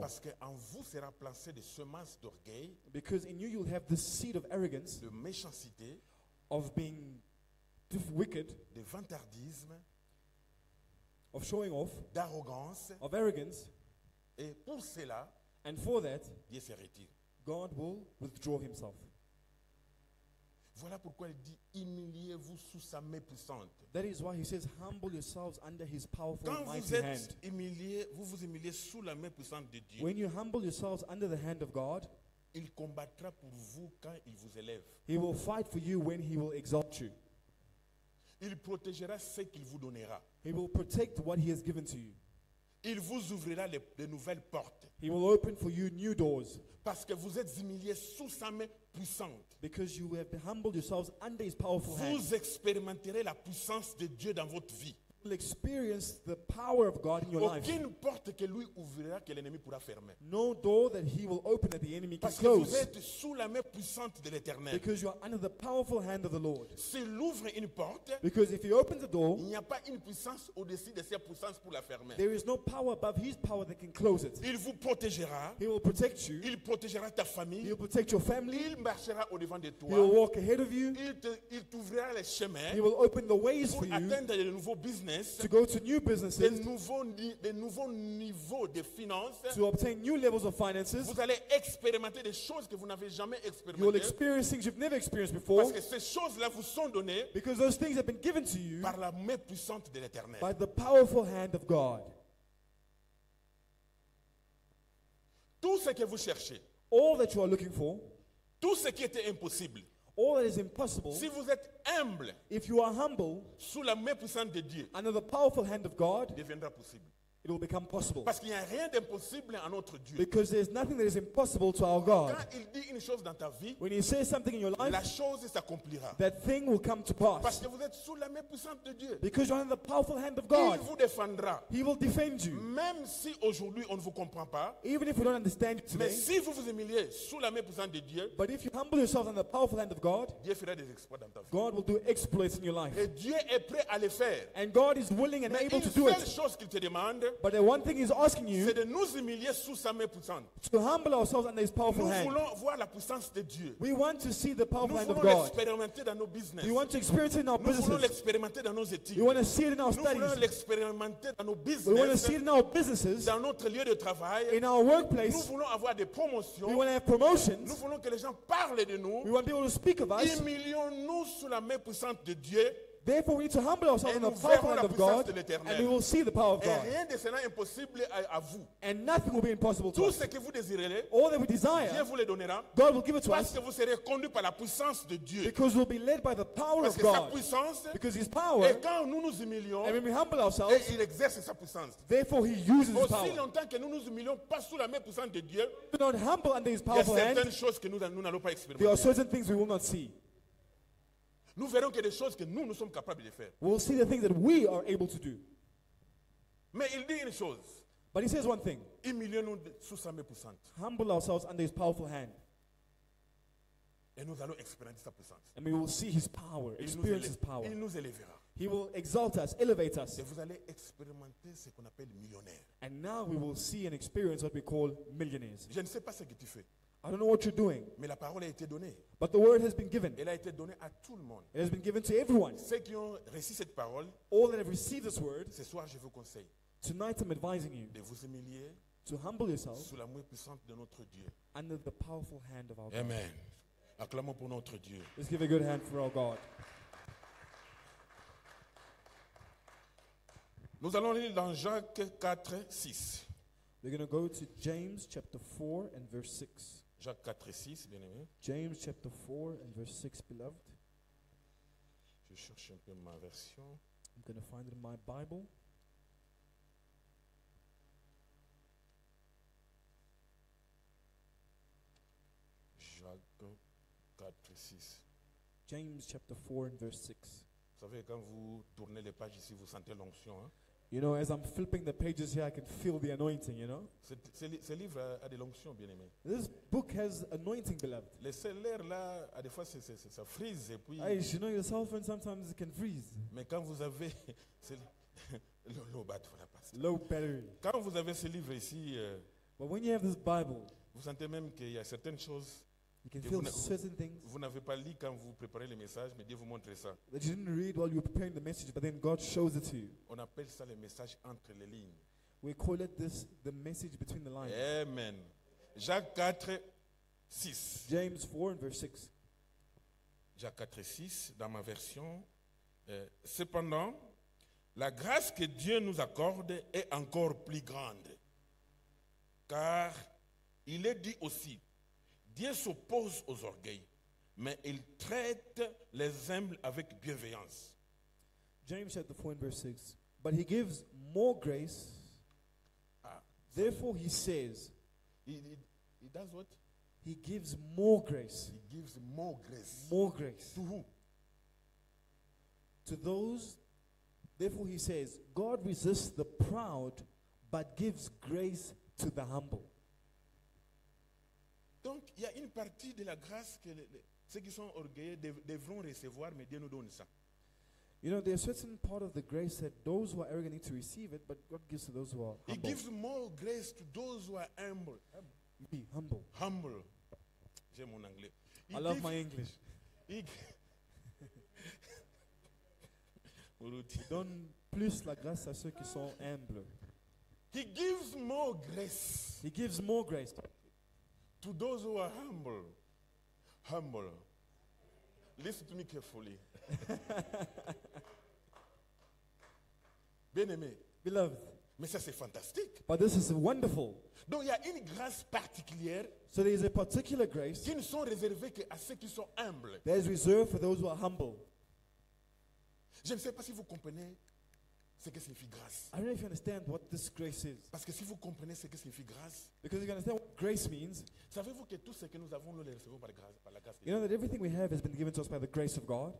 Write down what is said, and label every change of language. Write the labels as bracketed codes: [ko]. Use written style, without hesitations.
[fr] Parce que en vous sera planté des semences d'orgueil. [en] Because in you you'll have the seed of arrogance. [fr] De méchanceté. [en] Of being wicked. [fr] De vantardisme. [en] Of showing off. [fr] D'arrogance. [en] Of arrogance. [fr] Et pour cela. [en] And for that. [fr] Dieu se retire. [en] God will withdraw himself. [fr] Voilà pourquoi il dit humiliez-vous sous sa main puissante. [en] That is why he says humble yourselves under his powerful [fr] Quand [en] mighty [fr] vous êtes [en] hand. [fr] Humilié, vous vous humiliez sous la main puissante de Dieu. [en] When you humble yourselves under the hand of God, [fr] il combattra pour vous quand il vous élève. [en] He will fight for you when he will exalt you. [fr] Il protégera ce qu'il vous donnera. [en] He will protect what he has given to you. [fr] Il vous ouvrira les nouvelles portes. [en] He will open for you new doors. [fr] Parce que vous êtes humilié sous sa main puissante. [en] Because you have humbled yourselves under his powerful [fr] vous [en] hand. [fr] Vous expérimenterez la puissance de Dieu dans votre vie. [en] will experience the power of God in your [fr] aucune [en] life. [fr] Aucune porte que lui ouvrira que l'ennemi pourra fermer. [en] No door that he will open that the enemy can close. [fr] Parce que vous êtes sous la main puissante de l'Éternel. [en] Because you are under the powerful hand of the Lord. [fr] S'il ouvre une porte, [en] because if he opens the door, [fr] il n'y a pas une puissance au-dessus de sa puissance pour la fermer. [en] There is no power above his power that can close it. [fr] Il vous protégera. [en] He will protect you. [fr] Il protégera ta famille. [en] He will protect your family. [fr] Il marchera au-devant de toi. [en] He will walk ahead of you. [fr] Il t'ouvrira les chemins. [en] He will open the ways for you. [fr] Le nouveau business, [en] to go to new businesses, [fr] de nouveaux niveaux de finances, [en] to obtain new levels of finances, [fr] vous allez expérimenter des choses que vous n'avez jamais expérimentées. [en] You will experience things you've never experienced before. [fr] Parce que ces choses-là vous sont données. [en] Because those things have been given to you [fr] par la main puissante de l'Éternel. [en] By the powerful hand of God. [fr] Tout ce que vous cherchez, [en] all that you are looking for, [fr] tout ce qui était impossible. [en] All that is impossible, [fr] si vous êtes humble, [en] if you are humble, [fr] sous la main puissante de Dieu, [en] under the powerful hand of God, [fr] deviendra possible. [en] It will become possible. [fr] Parce qu'il n'y a rien d'impossible à notre Dieu. [en] Because there is nothing that is impossible to our God. [fr] Quand il dit une chose dans ta vie, [en] when he says something in your life, [fr] la chose s'accomplira. [en] That thing will come to pass. [fr] Parce que vous êtes sous la main puissante de Dieu. [en] Because you're under the powerful hand of God. [fr] Il vous défendra. [en] He will defend you. [fr] Même si aujourd'hui on ne vous comprend pas, [en] even if we don't understand you today, [fr] mais si vous vous humiliez sous la main puissante de Dieu, [en] but if you humble yourself under the powerful hand of God, [fr] Dieu fera des exploits dans ta vie. [en] God will do exploits in your life. [fr] Et Dieu est prêt à les faire. [en] And God is willing and [fr] mais [en] able to do it. [fr] Mais une seule chose qu'il te demande, [en] but the one thing he's asking you, [fr] c'est de nous humilier sous sa main puissante, [en] to humble ourselves under his powerful [fr] nous [en] hand. [fr] Voulons voir la puissance de Dieu. [en] We want to see the powerful [fr] nous [en] hand of God. [fr] L'expérimenter dans nos business. [en] We want to experience it in our [fr] nous [en] businesses. [fr] Voulons l'expérimenter dans nos études. [en] We want to see it in our [fr] nous [en] studies. [fr] Voulons l'expérimenter dans nos business. [en] We want to see it in our businesses. [fr] Dans notre lieu de travail. [en] In our workplace. [fr] Nous voulons avoir des promotions. [en] We want to have promotions. [fr] Nous voulons que les gens parlent de nous. [en] We want people to speak of us. [fr] Humilions-nous sous la main puissante de Dieu. [en] Therefore, we need to humble ourselves in the powerful hand of God, and we will see the power of God. [fr] Rien de cela impossible à vous. [en] And nothing will be impossible to [fr] tout [en] us. [fr] Ce que vous désirez, [en] all that we desire, [fr] Dieu vous le donnera, [en] God will give it to [fr] parce [en] us. [fr] Que vous serez conduit par la puissance de Dieu. [en] Because we will be led by the power [fr] parce [en] of God. [fr] Sa puissance, [en] because his power, [fr] et quand nous nous humilions, [en] and when we humble ourselves, [fr] et il exerce sa puissance. [en] Therefore, he uses [fr] aussi [en] his power. [fr] Longtemps que nous nous humilions pas sous la main puissante de Dieu, [en] do not humble under his powerful hand, [fr] choses que nous n'allons pas expérimenter. [en] There are certain things we will not see. [fr] Nous verrons que des choses que nous sommes capables de faire. [en] We'll see the things that we are able to do. [fr] Mais il dit une chose. [en] But he says one thing. [fr] Humilions-nous sous sa main puissante. [en] Humble ourselves under his powerful hand. [fr] Et nous allons expérimenter sa puissance. [en] And we will see his power, experience his power. [fr] Il nous élèvera. [en] He will exalt us, elevate us. [fr] Et vous allez expérimenter ce qu'on appelle millionnaire. [en] And now we will see and experience what we call millionaires. [fr] Je ne sais pas ce que tu fais. [en] I don't know what you're doing. [fr] Mais la parole a été donnée. [en] But the word has been given. [fr] Elle a été donnée à tout le monde. [en] It has been given to everyone. [fr] Ceux qui ont reçu cette parole, [en] all that have received this word, [fr] ce soir je vous conseille, [en] tonight I'm advising you, [fr] de vous humilier, [en] to humble yourself, [fr] sous la main puissante de notre Dieu, [en] under the powerful hand of our [fr] Amen. [en] God. [fr] Amen. Acclamons pour notre Dieu. [en] Let's give a good hand for our God. [fr] Nous allons lire dans Jacques 4, 6. [en] We're going to go to James chapter 4 and verse 6. [fr] Jacques 4 et 6, bien-aimé. [en] James chapter 4 and verse 6, beloved. [fr] Je cherche un peu ma version. [en] I'm going to find it in my Bible. [fr] Jacques 4 et 6. [en] James chapter 4 and verse 6. [fr] Vous savez, quand vous tournez les pages ici, vous sentez l'onction, hein? [en] You know, as I'm flipping the pages here, I can feel the anointing, you know. [fr] Ce livre a de l'onction, bien-aimé. [en] This book has anointing, beloved. [fr] Le cellulaire là, à des fois, ça freeze et puis... [en] Hey, you know, your cell phone sometimes it can freeze. [fr] Mais quand vous avez... [en] low battery, pastor. Low battery. [fr] Quand vous avez ce livre ici... [en] But when you have this Bible... [fr] Vous sentez même qu'il y a certaines choses... [en] You can feel certain things. [fr] Vous n'avez pas lu quand vous préparez le message, mais Dieu vous montre ça. [en] That you didn't read while you were preparing the message, but then God shows it to you. [fr] On appelle ça le message entre les lignes. [en] We call it this the message between the lines. [fr] Amen. Jacques 4, 6. [en] James 4 and verse 6. [fr] Jacques 4, 6, dans ma version. Cependant, la grâce que Dieu nous accorde est encore plus grande. Car il est dit aussi, Dieu s'oppose aux orgueils, mais il traite les humbles avec bienveillance. [en] James chapter 4 and verse 6. But he gives more grace. Ah, therefore he says. He does what? He gives more grace. He gives more grace. More grace. To who? To those Therefore, he says, God resists the proud, but gives grace to the humble. [fr] Donc, il y a une partie de la grâce que ceux qui sont orgueilleux devront recevoir, mais Dieu nous donne ça. [en] You know, there's a certain part of the grace that those who are arrogant need to receive it, but God gives to those who are humble. He gives more grace to those who are humble. Be humble. [fr] Humble. J'aime mon anglais. [en] I love my English. [fr] Donne plus la grâce à ceux qui sont humbles. [en] He gives more grace. He gives more grace to those who are humble. Humble. Listen to me carefully. [fr] Bien-aimé. [en] Beloved. [fr] Mais ça, c'est fantastique. [en] But this is wonderful. [fr] Donc, il y a une grâce particulière. [en] So there is a particular grace. [fr] Qui ne sont réservées que à ceux qui sont humbles. [en] That is reserved for those who are humble. [fr] Je ne sais pas si vous comprenez ce que signifie grâce. [en] I don't know if you understand what this grace is. [fr] Parce que si vous comprenez ce que signifie grâce. [en] Because you understand what grace means. [fr] Savez-vous que tout ce que nous avons, nous le recevons par la grâce de Dieu. [en] You know that everything we have has been given to us by the grace of God.